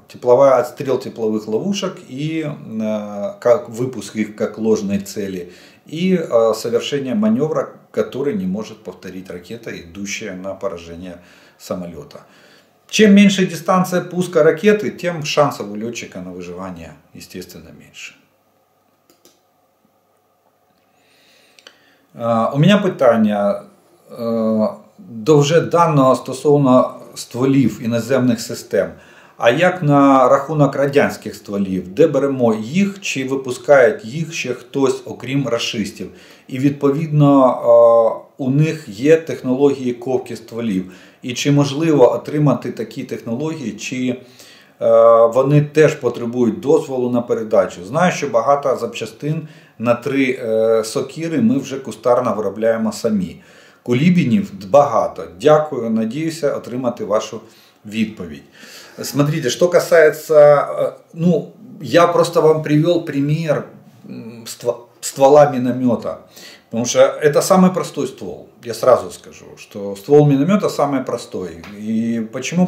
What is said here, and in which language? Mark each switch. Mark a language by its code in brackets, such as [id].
[ru] Тепловая отстрел тепловых ловушек и как выпуск их как ложной цели. И совершение маневра, который не может повторить ракета, идущая на поражение самолета. Чем меньше дистанция пуска ракеты, тем шансов у летчика на выживание, естественно, меньше. [uk] У меня питання до вже даного стосовно стволів іноземних систем. А як на рахунок радянських стволів? Де беремо їх? Чи випускає їх ще хтось, окрім рашистів? І відповідно у них є технології ковки стволів. І чи можливо отримати такі технології, чи вони теж потребують дозволу на передачу? Знаю, що багато запчастин на три сокири ми вже кустарно виробляємо самі. Кулібінів багато. Дякую, надіюся отримати вашу відповідь. [ru] Смотрите, что касается, ну, я просто вам привел пример ствола миномета, потому что это самый простой ствол, я сразу скажу, что ствол миномета самый простой, и почему?